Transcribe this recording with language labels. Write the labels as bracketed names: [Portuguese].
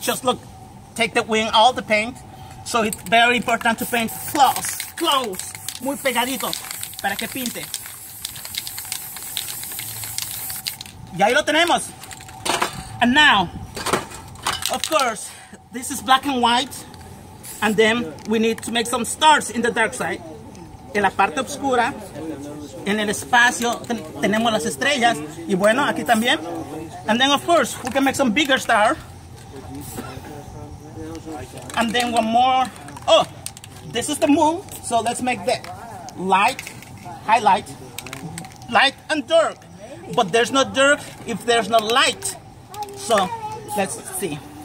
[English] Just look, take the wing, all the paint. So it's very important to paint close, close, [Spanish] muy pegadito, para que pinte. Y ahí lo tenemos. [English] And now, of course, this is black and white, and then we need to make some stars in the dark side. [Spanish] En la parte oscura, en el espacio, tenemos las estrellas, y bueno, aquí también. [English] And then, of course, we can make some bigger star. And then one more. Oh, this is the moon, so let's make the light, highlight, light and dark. But there's no dark if there's no light. So, let's see.